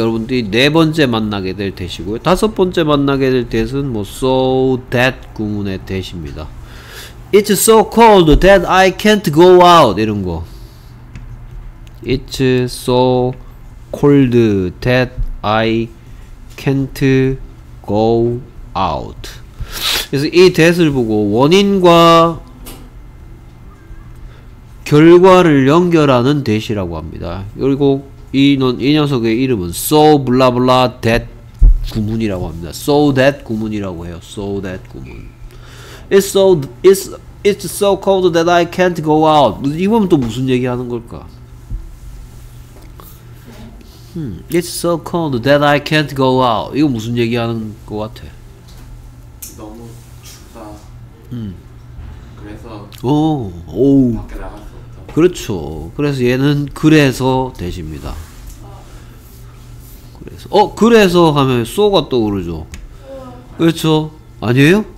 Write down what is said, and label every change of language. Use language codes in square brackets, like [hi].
[ko] 여러분들이 네 번째 만나게 될 대시고요. 다섯 번째 만나게 될 대시는 뭐 so that 구문의 대시입니다. [en] It's so cold that I can't go out [ko] 이런 거. [en] It's so cold that I can't go out. [ko] 그래서 이 that을 보고 원인과 결과를 연결하는 대시라고 합니다. 그리고 이 녀석의 이름은 so blah blah that 구문이라고 합니다. so that 구문이라고 해요. so that 구문. [en] It's so cold that I can't go out. [ko] 이거면 또 무슨 얘기 하는 걸까? [en] It's so cold that I can't go out. [ko] 이거 무슨 얘기 하는 것 같아? 너무 춥다. 그렇죠. 그래서 얘는 그래서 되십니다. 그래서 그래서 하면 so가 떠오르죠. 그렇죠. 아니에요?